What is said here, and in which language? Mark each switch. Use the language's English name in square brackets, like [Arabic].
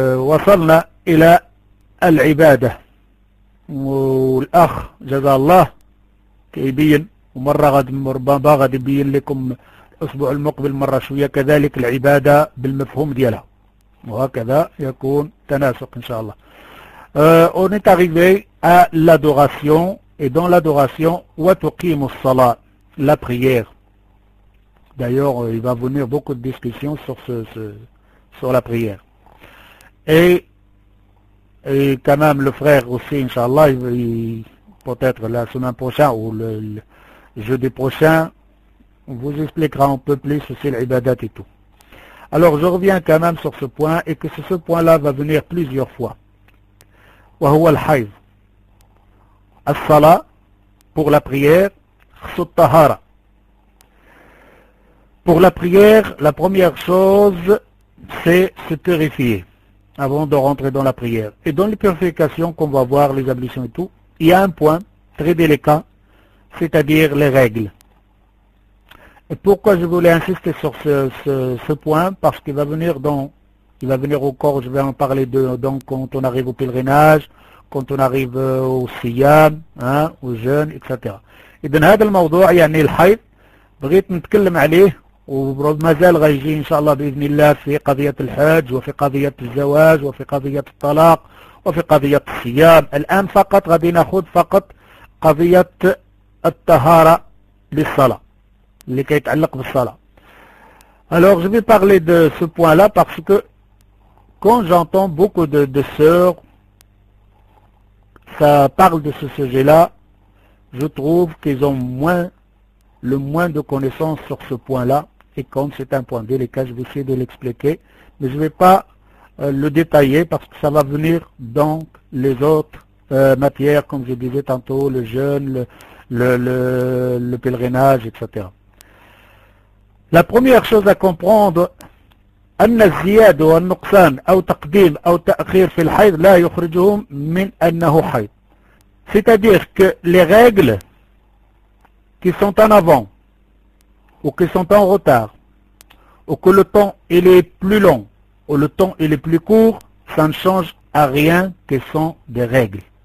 [Arabic] وصلنا إلى العبادة، والأخ جزاه الله كيبين، ومرة غادي يبين لكم الأسبوع المقبل مرة شوية كذلك العبادة بالمفهوم ديالها، وهكذا يكون تناسق إن شاء الله. [French] On est arrivé à l'adoration, et dans l'adoration, [Arabic] وتقيم الصلاة, [French] la prière. D'ailleurs, il va venir beaucoup de discussions sur sur la prière. Et quand même, le frère aussi, Inch'Allah, peut-être la semaine prochaine ou le jeudi prochain, on vous expliquera un peu plus aussi l'ibadat et tout. Alors, je reviens quand même sur ce point, et que ce point-là va venir plusieurs fois. [Arabic] وهو الحيض. الصلاة [French] pour la prière [Arabic] خصو الطهارة. [French] Pour la prière, la première chose, c'est se purifier avant de rentrer dans la prière. Et dans les purifications qu'on va voir, les ablutions et tout, il y a un point très délicat, c'est-à-dire les règles. Et pourquoi je voulais insister sur ce point? Parce qu'il va venir dans, il va venir au corps, je vais en parler de, donc, quand on arrive au pèlerinage, quand on arrive au siyam, hein, au jeûne, etc. Et dans [Arabic] هذا الموضوع, [French] il y a [Arabic] الحيض, بغيت نتكلم عليه. ومازال غيجي ان شاء الله باذن الله في قضيه الحج، وفي قضيه الزواج، وفي قضيه الطلاق، وفي قضيه الصيام. الان فقط غادي ناخذ فقط قضيه الطهاره للصلاه اللي كيتعلق بالصلاه. [French] Alors je vais parler de ce point là parce que quand j'entends beaucoup de sœurs ça parle de ce sujet là, je trouve qu'ils ont moins le moins de connaissances sur ce point-là, et comme c'est un point délicat, je vais essayer de l'expliquer, mais je ne vais pas le détailler, parce que ça va venir dans les autres matières, comme je disais tantôt, le jeûne, le pèlerinage, etc. La première chose à comprendre, [Arabic] أن الزيادة والنقصان أو تقديم أو تأخير في الحيض لا يخرجهم من أنه حيض. [French] C'est-à-dire que les règles qui sont en avant, ou qui sont en retard, ou que le temps il est plus long, ou le temps il est plus court, ça ne change à rien que ce sont des règles.